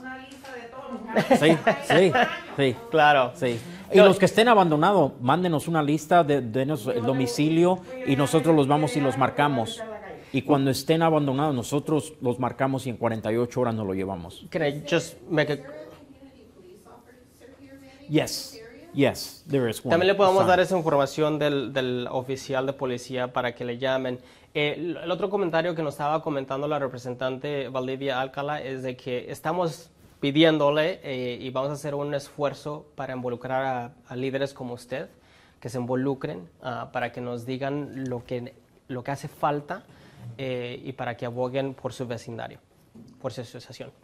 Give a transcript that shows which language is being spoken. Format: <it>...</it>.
<es>Una lista de todos. Sí, sí, sí. Claro. Sí. Y los que estén abandonados, mándenos una lista, denos el domicilio y nosotros los vamos y los marcamos. Y cuando estén abandonados, nosotros los marcamos y en 48 horas nos lo llevamos.</es> <en>Can I just make a... Is there a community police officer here, Manny? Yes. Yes, there is one.</en> <es>También le podemos dar esa información del oficial de policía para que le llamen. El otro comentario que nos estaba comentando la representante Valdivia Alcala es de que estamos pidiéndole y vamos a hacer un esfuerzo para involucrar a líderes como usted, que se involucren para que nos digan lo que hace falta y para que abogen por su vecindario, por su asociación.</es>